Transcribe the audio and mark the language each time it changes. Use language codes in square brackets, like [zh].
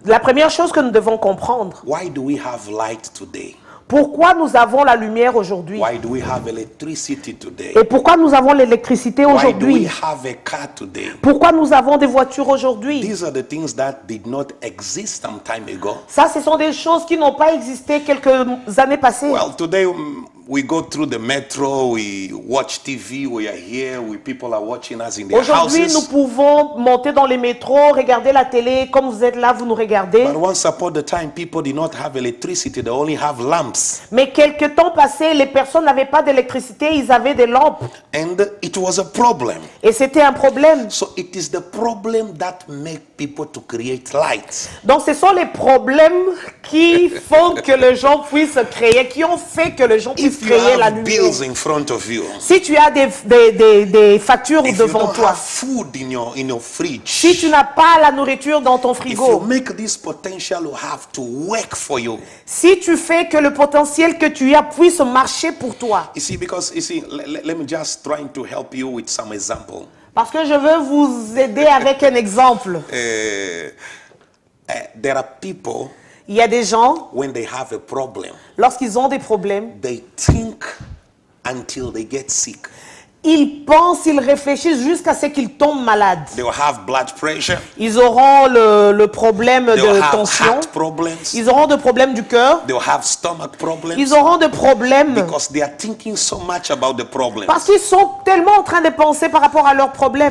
[fr] La première chose que nous devons comprendre. [en] Why do we have light today? [fr] Pourquoi nous avons la lumière aujourd'hui? [en] Why do we have electricity today? [fr] Et pourquoi nous avons l'électricité aujourd'hui? [en] Why do we have a car today? [fr] Pourquoi nous avons des voitures aujourd'hui? [en] These are the things that did not exist some time ago. [fr] Ça, ce sont des choses qui n'ont pas existé quelques années passées. [en] Well, today we go through the metro, we watch TV, we are here, we people are watching us in their [fr] aujourd'hui, [en] houses. [fr] Aujourd'hui, nous pouvons monter dans les métros, regarder la télé, comme vous êtes là, vous nous regardez. [en] But once upon a time, people did not have electricity, they only have lamps. [fr] Mais quelque temps passé, les personnes n'avaient pas d'électricité, ils avaient des lampes. [en] And it was a problem. [fr] Et c'était un problème. [en] So it is the problem that make people to create light. [fr] Donc ce sont les problèmes qui font que les gens puissent créer, qui ont fait que les gens [en] If you have bills in front of you, [fr] si tu as des factures devant toi, [en] food in your fridge, [fr] si tu n'as pas la nourriture dans ton frigo, [en] if you make this potential have to work for you, [fr] si tu fais que le potentiel que tu as puisse marcher pour toi, [en] you see, because you see, let me just try to help you with some example. [fr] Parce que je veux vous aider avec un exemple. [en] There are people. [fr] Il y a des gens, [en] when they have a problem, [fr] lorsqu'ils ont des problèmes, [en] they think until they get sick. [fr] Ils pensent, ils réfléchissent jusqu'à ce qu'ils tombent malades. [en] They will have blood pressure. [fr] Ils auront le problème [en] they will [fr] de [en] have [fr] tension. [en] Heart problems. [fr] Ils auront des problèmes du cœur. [en] They will have stomach problems. [fr] Ils auront des problèmes. [en] Because they are thinking so much about the problems. [fr] Parce qu'ils sont tellement en train de penser par rapport à leurs problèmes.